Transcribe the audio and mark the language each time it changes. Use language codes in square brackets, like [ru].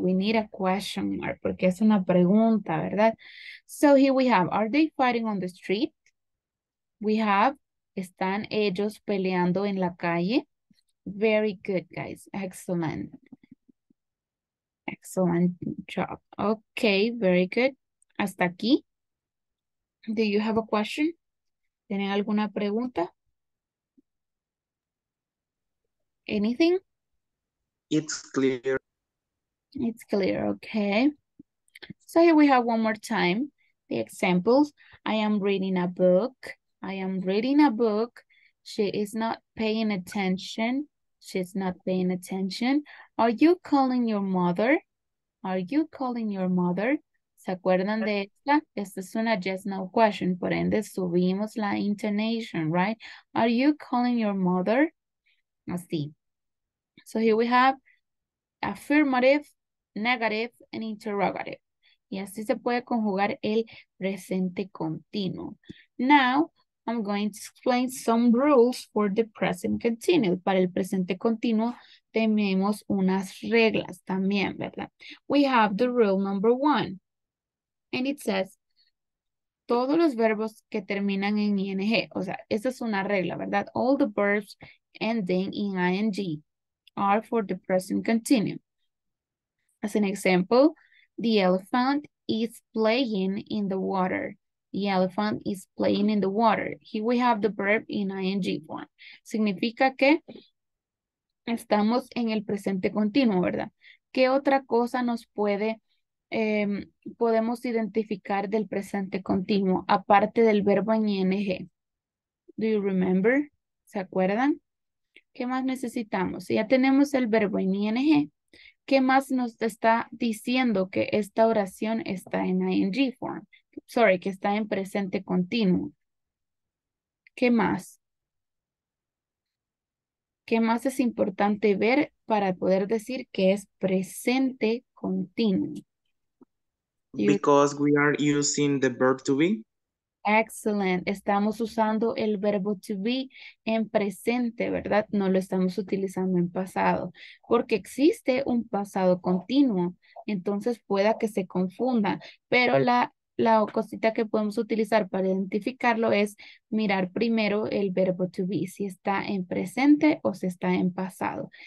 [en] We need a question mark [es] porque es una pregunta, ¿verdad? [en] So here we have, are they fighting on the street? We have, [es] ¿están ellos peleando en la calle? [en] Very good, guys. Excellent. Excellent job. Okay, very good. [es] Hasta aquí. [en] Do you have a question? [es] ¿Tienen alguna pregunta? [en] Anything? It's clear. It's clear, okay. So here we have one more time. The examples. I am reading a book. I am reading a book. She is not paying attention. She's not paying attention. Are you calling your mother? Are you calling your mother? [es] ¿Se acuerdan de esta? Esta es una [en] yes no question. [es] Por ende, subimos la [en] intonation, right? Are you calling your mother? [es] Así. [en] So here we have affirmative, negative, and interrogative. [es] Y así se puede conjugar el presente continuo. [en] Now, I'm going to explain some rules for the present continuous. [es] Para el presente continuo, tenemos unas reglas también, ¿verdad? [en] We have the rule number one. And it says, [es] todos los verbos que terminan en ing. O sea, esa es una regla, ¿verdad? [en] All the verbs ending in ing are for the present continuous. As an example, the elephant is playing in the water. The elephant is playing in the water. Here we have the verb in ing form. [es] Significa que estamos en el presente continuo, ¿verdad? ¿Qué otra cosa nos puede, podemos identificar del presente continuo, aparte del verbo en ing? [en] Do you remember? [es] ¿Se acuerdan? ¿Qué más necesitamos? Si ya tenemos el verbo en ing, ¿qué más nos está diciendo que esta oración está en ing form? [en] Sorry, [es] que está en presente continuo. ¿Qué más? ¿Qué más es importante ver para poder decir que es presente continuo? [en] Because we are using the verb to be. Excellent. [es] Estamos usando el verbo to be en presente, ¿verdad? No lo estamos utilizando en pasado. Porque existe un pasado continuo. Entonces, pueda que se confunda. Pero la cosita que podemos utilizar para identificarlo es mirar primero el verbo to be, si está en presente o si está en pasado.